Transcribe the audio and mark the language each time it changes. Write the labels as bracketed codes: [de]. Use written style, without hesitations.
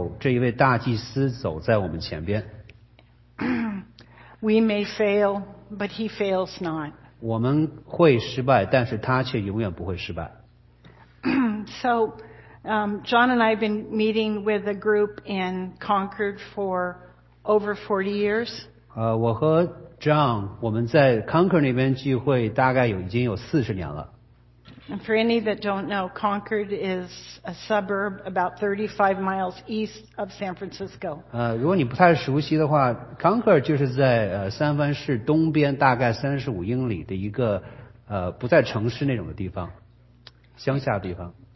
[zh] 我们这大好的信息就是有这一位大祭司走在我们前边。 [en] We may fail, but he fails not. [zh] 我们会失败，但是他却永远不会失败。 [en] So, John and I have been meeting with a group in Concord for over 40 years. [zh] 我和John，我们在 Concord那边聚会，大概已经有40年了。 [en] And for any that don't know, Concord is a suburb about 35 miles east of San Francisco. [zh] 如果你不太熟悉的话 ，Concord就是在三藩市东边大概35英里的一个不在城市那种的地方，乡下的地方。